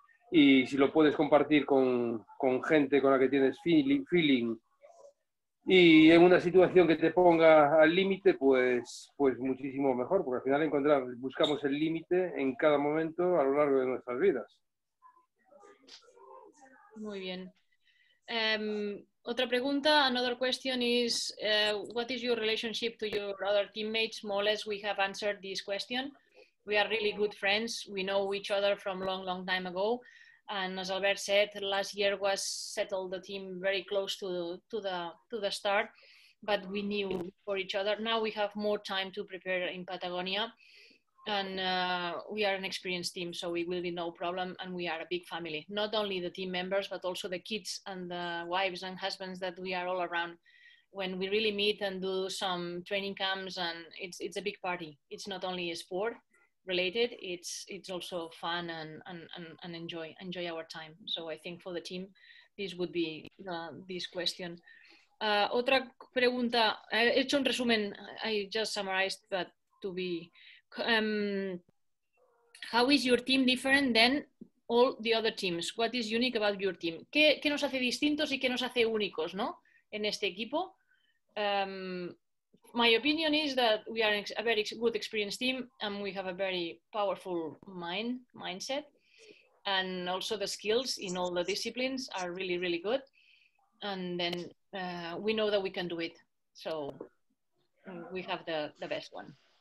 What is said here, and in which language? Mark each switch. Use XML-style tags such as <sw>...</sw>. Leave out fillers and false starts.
<es>Y si lo puedes compartir con gente con la que tienes feeling Y en una situación que te ponga al límite, pues muchísimo mejor, porque al final buscamos el límite en cada momento a lo largo de nuestras vidas. Muy bien. Otra pregunta,</es> <en>another question is, what is your relationship to your other teammates? More or less we have answered this question. We are really good friends. We know each other from long, long time ago. And as Albert said, last year was settled the team very close to the start, but we knew for each other. Now we have more time to prepare in Patagonia, and we are an experienced team, so we will be no problem, and we are a big family. Not only the team members, but also the kids and the wives and husbands that we are all around. When we really meet and do some training camps, and it's a big party. It's not only a sport related, it's also fun and enjoy our time. So I think for the team, this would be this question.</en> <es>Otra pregunta, he hecho un resumen,</es> <en>I just summarized, but to be, how is your team different than all the other teams? What is unique about your team?</en> <es>¿Qué nos hace distintos y qué nos hace únicos, no? En este equipo?</es> <en>My opinion is that we are a very good experienced team, and we have a very powerful mindset, and also the skills in all the disciplines are really, really good. And then we know that we can do it, so we have the best one.</en>